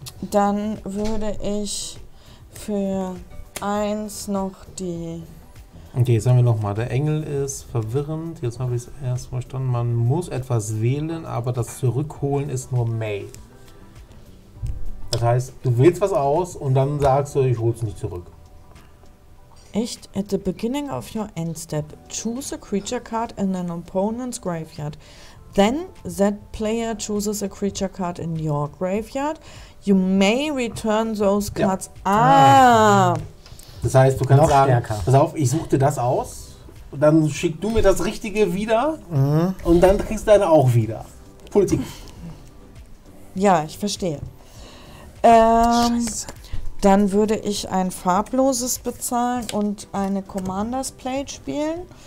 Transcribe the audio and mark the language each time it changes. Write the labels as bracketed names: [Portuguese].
[German] Dann würde ich für 1 noch die... Okay, jetzt haben wir nochmal, der Engel ist verwirrend. Jetzt habe ich es erst verstanden. Man muss etwas wählen, aber das Zurückholen ist nur May. Das heißt, du wählst was aus und dann sagst du, ich hole es nicht zurück. Echt? [English] At the beginning of your end step, choose a creature card in an opponent's graveyard. Then that player chooses a creature card in your graveyard. You may return those cards. [German] Ja. Das heißt, du kannst sagen, pass auf, ich suche dir das aus, dann schick du mir das Richtige wieder und dann kriegst du deine auch wieder. Politik. Ja, ich verstehe. Dann würde ich ein farbloses bezahlen und eine Commander's Plate spielen.